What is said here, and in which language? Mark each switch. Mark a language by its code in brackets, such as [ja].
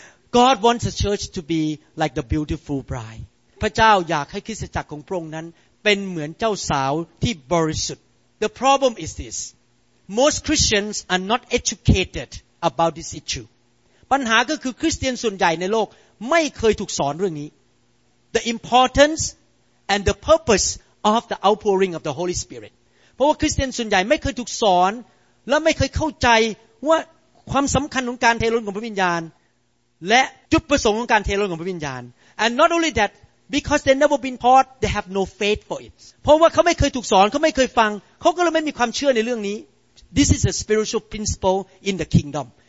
[en] God wants a church to be like the beautiful bride. [th] พระเจ้าอยากให้คริสตจักรของพระองค์นั้นเป็นเหมือนเจ้าสาวที่บริสุทธิ์ [en] The problem is this. Most Christians are not educated about this issue. [th] ปัญหาก็คือคริสเตียนส่วนใหญ่ในโลกไม่เคยถูกสอนเรื่องนี้ [en] The importance and the purposeof the outpouring of the Holy Spirit. [th] เพราะว่าคริสเตียนส่วนใหญ่ไม่เคยถูกสอนและไม่เคยเข้าใจว่าความสำคัญของการเทล้นของพระวิญญาณและจุดประสงค์ของการเทล้นของพระวิญญาณ [en] And not only that, because they never been taught, they have no faith for it. [th] เพราะว่าเขาไม่เคยถูกสอนเขาไม่เคยฟังเขาก็เลยไม่มีความเชื่อในเรื่องนี้ [en] This is a spiritual principle in the kingdom.